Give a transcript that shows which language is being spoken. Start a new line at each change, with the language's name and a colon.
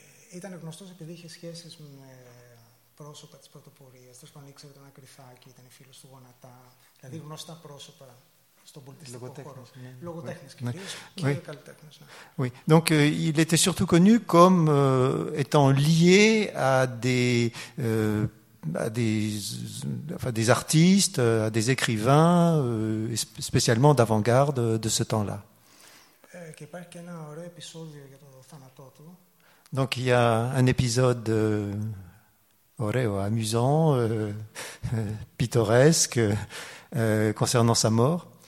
Greek: Ήταν γνωστός επειδή είχε σχέσεις με πρόσωπα της πρωτοπορίας. Τόσο πάνω ήξερε τον Ακριθάκη, ήταν φίλος του Γονατά. Δηλαδή γνωστά πρόσωπα στον πολιτιστικό χώρο. Λογοτέχνης κυρίως και καλλιτέχνης.
French: Oui. Donc il était surtout connu comme étant lié à des artistes, à des écrivains, spécialement d'avant-garde de ce temps-là.
Greek: Και υπάρχει και ένα ωραίο επεισόδιο για το θάνατό του.
French: Donc il y a un épisode
Greek: ωραίο,
French: amusant, pittoresque concernant sa mort.